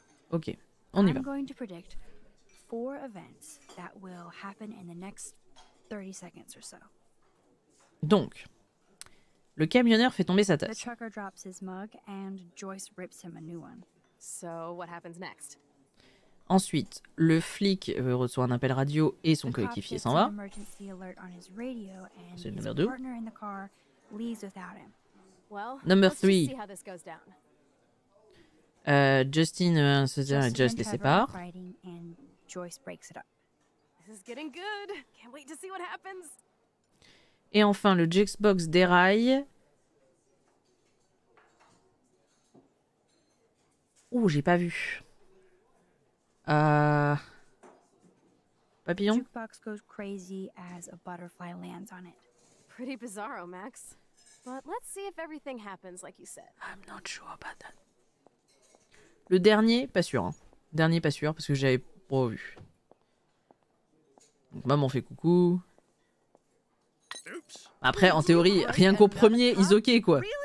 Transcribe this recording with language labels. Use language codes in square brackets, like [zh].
[fr] Ok, on y va. [en] I'm going to predict four events that will happen in the next 30 seconds or so. [fr] Donc, le camionneur fait tomber sa tasse. [en] The trucker drops his mug and Joyce rips him a new one. So what happens next? [fr] Ensuite, le flic reçoit un appel radio et son coéquipier s'en va. [en] Emergency alert on his radio and his partner in the car leaves without him. Well, number 3. See how this goes down. [fr] Justin se dit et Joyce les sépare. [en] And Joyce breaks it up. It's getting good. Can't wait to see what happens. [fr] Et enfin, le jukebox déraille. Oh, j'ai pas vu. Papillon. [en] Jukebox goes crazy as a butterfly lands on it. Pretty bizarro, Max. But let's see if everything happens like you said. I'm not sure about that. [fr] Le dernier, pas sûr. Hein. Dernier, pas sûr, parce que j'avais pas vu. Donc, maman fait coucou. Oups. Après, en théorie, rien qu'au premier, ils ok quoi.